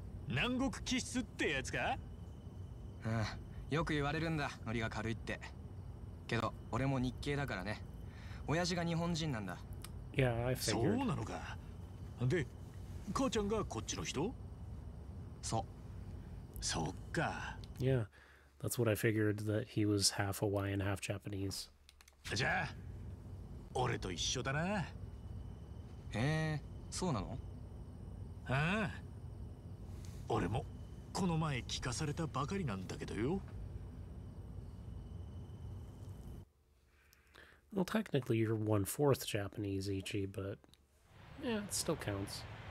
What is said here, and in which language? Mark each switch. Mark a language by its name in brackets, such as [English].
[Japanese] 南国気質ってやつか。うん、よく言われるんだ、ノリが軽いって。けど俺も日系だからね。親父が日本人なんだ。 [English] Yeah, I figured. [Japanese] そうなのか。で母ちゃんがこっちの人。そう。そっか。 [English] Yeah, that's what I figured, that he was half Hawaiian, half Japanese. [Japanese] じゃあ俺と一緒だな。そうなの。ああ、俺もこの前聞かされたばかりなんだけどよ。 [English] Well, technically you're 1/4 Japanese, Ichi, but yeah, it still counts.